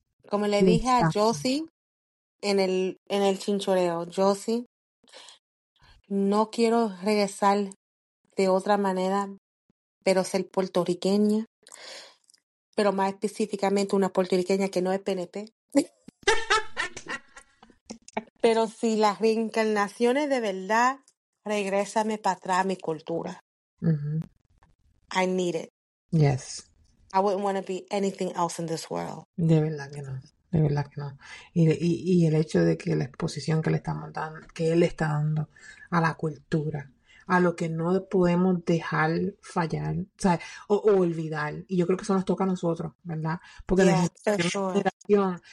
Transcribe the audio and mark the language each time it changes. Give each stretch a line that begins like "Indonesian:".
Spanish: Como le dije a Josie en el chinchoreo, Josie, no quiero regresar de otra manera, pero ser puertorriqueña, pero más específicamente una puertorriqueña que no es PNP. Pero si las reencarnaciones de verdad, regrésame para atrás a mi cultura. Mm-hmm.
English: I need it. Yes. I wouldn't want to be anything else in this world.
Spanish: De verdad que no. De verdad que no. Y el hecho de que la exposición que le estamos dando, que él está dando a la cultura, a lo que no podemos dejar fallar, ¿sabes? O olvidar. Y yo creo que eso nos toca a nosotros, ¿verdad? Porque la generación,